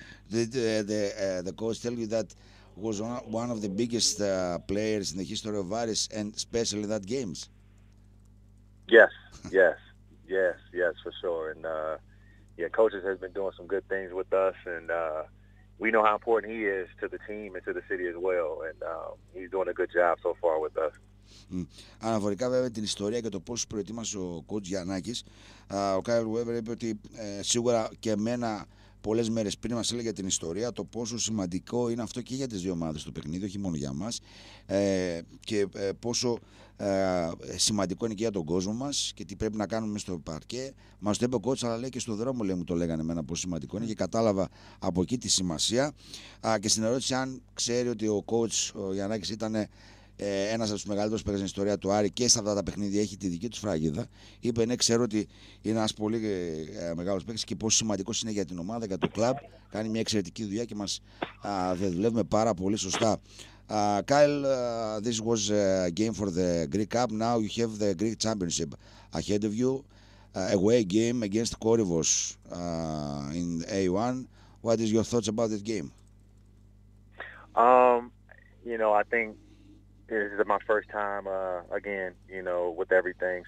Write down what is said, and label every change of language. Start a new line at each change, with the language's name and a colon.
English: Did the coach tell you that was one of the biggest players in the history of Varis, and especially that games? Yes, for sure. And yeah, coaches has been doing some good things with us, and we know how important he is to the team and to the city as well, and he's doing a good job so far with us.
Greek: Αναφορικά βέβαια την ιστορία και το πώς προετοίμασε ο coach Γιαννάκης, ο Kyle Weber είπε ότι σίγουρα και εμένα πολλές μέρες πριν μας έλεγε την ιστορία, το πόσο σημαντικό είναι αυτό και για τις δύο ομάδες το παιχνίδι, όχι μόνο για μας, και πόσο σημαντικό είναι και για τον κόσμο μας και τι πρέπει να κάνουμε στο παρκέ. Μας το είπε ο coach, αλλά λέει και στο δρόμο, λέει, μου το λέγανε εμένα πόσο σημαντικό είναι, και κατάλαβα από εκεί τη σημασία. Και στην ερώτηση αν ξέρει ότι ο coach ο Γιαννάκης ήταν ένας από τους μεγαλύτερους παίκτες στην ιστορία του Άρη και σε αυτά τα παιχνίδια έχει τη δική του φραγίδα, είπε ναι, ξέρω ότι είναι ένας πολύ μεγάλος παίκτης και πόσο σημαντικός είναι για την ομάδα, για το κλαμπ. Κάνει μια εξαιρετική δουλειά και μας δουλεύουμε πάρα πολύ σωστά.
English: Kyle, this was a game for the Greek Cup. Now you have the Greek Championship ahead of you. Away game against Korivos in A1. What is your thoughts about this game? You know, I think this is my first time again, you know, with everything.